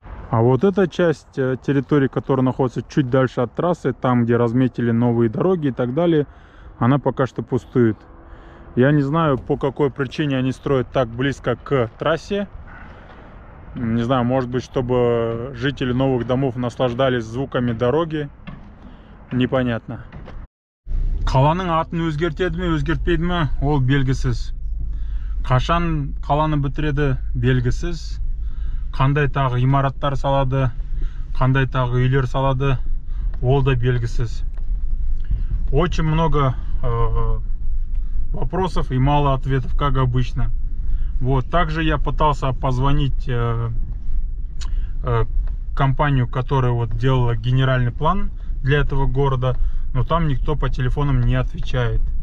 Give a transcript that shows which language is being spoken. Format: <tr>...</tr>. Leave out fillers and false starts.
<ru>А вот эта часть территории, которая находится чуть дальше от трассы, там, где разметили новые дороги и так далее, она пока что пустует. Я не знаю, по какой причине они строят так близко к трассе. Не знаю, может быть, чтобы жители новых домов наслаждались звуками дороги. Непонятно.</ru> <kk>Қаланың атын өзгертеді ме, өзгертпейді ме, ол белгісіз. Қашан қаланы бітіреді, белгісіз. Қандай тағы имараттар салады, қандай тағы үйлер салады, ол да белгісіз.</kk> <ru>Очень много вопросов и мало ответов, как обычно. Вот, также я пытался позвонить компанию, которая вот делала генеральный план для этого города, но там никто по телефону не отвечает.</ru>